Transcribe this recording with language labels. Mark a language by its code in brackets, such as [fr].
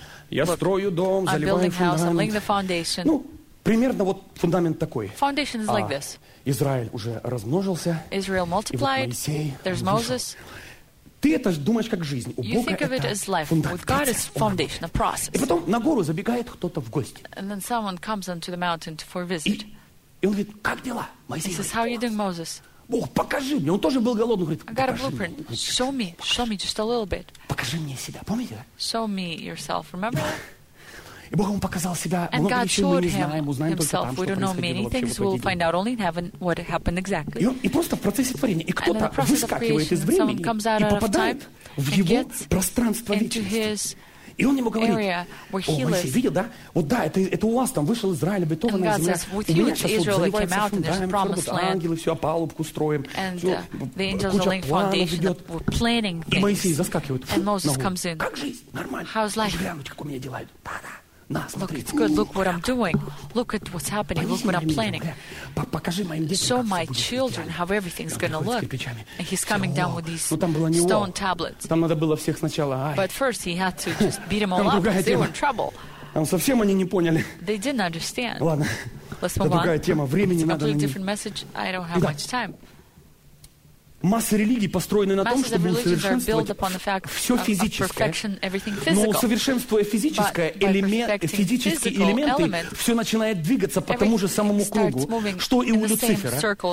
[ru] Я строю дом, заливаю фундамент. Ну, примерно вот фундамент такой. [en] Foundation is like this. [ru] Израиль уже размножился. [en] Israel multiplied. [ru] И вот Моисей. [en] There's Moses. [ru] Ты это думаешь как жизнь. У Бога это фундация. И потом на гору забегает кто-то в гости. [en] And then someone comes onto the mountain for a visit. [ru] И он говорит, как дела, Моисей? [en] He says, how are you doing, Moses? [ru] Бог, покажи мне. Он тоже был голодный. Говорит, покажи мне. [en] I got a blueprint. Show me just a little bit. [ru] Покажи мне себя. Помните? [en] Show me yourself. Remember? [ru] И Бог ему показал себя. [en] And God showed him himself. We don't know many things. We'll find out only in heaven what happened exactly. [ru] И просто в процессе творения. И кто-то выскакивает из времени и попадает в его пространство вечности. И он ему говорит, о, Моисей, видел, да? Вот да, это у вас там вышел Израиль, обетованная земля. [en] And God says, with you, Israel came out, and there's promised land. [ru] Ангелы все, опалубку строим. [en] And the angels are laying foundation. We're planning things. [ru] И Моисей заскакивает. [en] And Moses comes in. [ru] Как жизнь? Нормально. [en] How's life? [ru] Глянуть, как у меня дела идут. Да-да. [en] Look, it's good. Look what I'm doing. Look at what's happening. Look what I'm planning. Show my children how everything's going to look. And he's coming down with these stone tablets. But first he had to just beat them all up because they were in trouble. [ru] Там совсем они не поняли. [en] They didn't understand. [ru] Ладно. [en] Let's move on. [ru] Это другая тема. Времени надо. [en] It's a completely different message. I don't have much time. [ru] Масса религий построены на том, чтобы усовершенствовать все физическое. Но усовершенствуя физическое, физические элементы, все начинает двигаться по тому же самому кругу, что и у Люцифера.